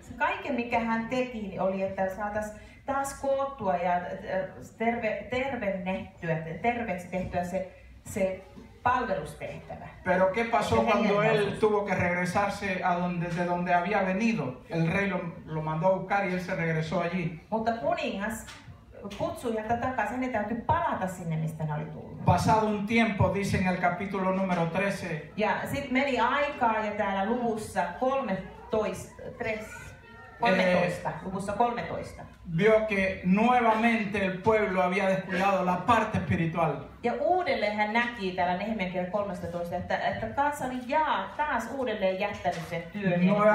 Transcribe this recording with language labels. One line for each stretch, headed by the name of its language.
Finnish: Kaiken mikä hän teki oli, että saatas taas koottua ja terveksi tehtyä se palvelustehtävä.
Spanish: Pero qué pasó cuando él tuvo que regresarse a donde de donde había venido? El rey lo mandó a buscar y él se regresó allí.
Finnish: Mutta kuningas kutsui häntä takaisin, hänen täytyy palata sinne, mistä hän oli tullut.
Spanish: Pasado un tiempo, dice en el capítulo número 13.
Finnish: Ja sit meni aikaa ja täällä luvussa 13.
Spanish: Vio que nuevamente el pueblo había descuidado la parte espiritual.
Finnish: Ja uudelleen hän näki täällä Nehemiän kirja 13, että kansa oli taas uudelleen jättänyt sen työn.